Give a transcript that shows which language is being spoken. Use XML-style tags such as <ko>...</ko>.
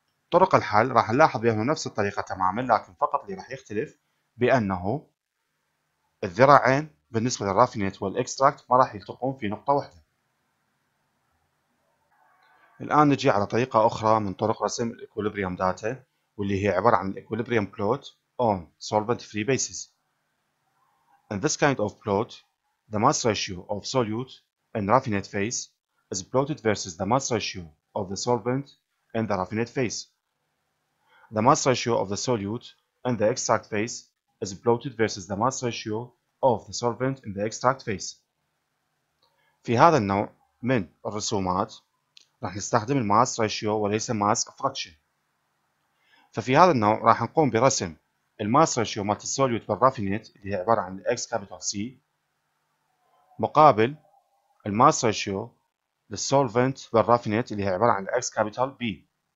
<ar>طرق الحل راح نلاحظ بانه نفس الطريقه تماما، لكن فقط اللي راح يختلف بانه الذراعين بالنسبه للرافينيت والاكستراكت ما راح يلتقون في نقطه واحده. الآن نجي على طريقة أخرى من طرق رسم الإكوليبريم داتا واللي هي عبارة عن الإكوليبريم بلوت</ar> <en>on solvent free basis. In this kind of plot, the mass ratio of solute in raffinate phase is plotted versus the mass ratio of the solvent in the raffinate phase. The mass ratio of the solute in the extract phase is plotted versus the mass ratio of the solvent in the extract phase.</en> <ar>في هذا النوع من الرسومات راح نستخدم الماس ريشيو وليس ماس فراكشن. ففي هذا النوع راح نقوم برسم الماس ريشيو مال السوليوت بالرافينيت اللي هي عباره عن اكس كابيتال سي مقابل الماس ريشيو للسولفنت بالرافينيت اللي هي عباره عن اكس كابيتال بي.</ar>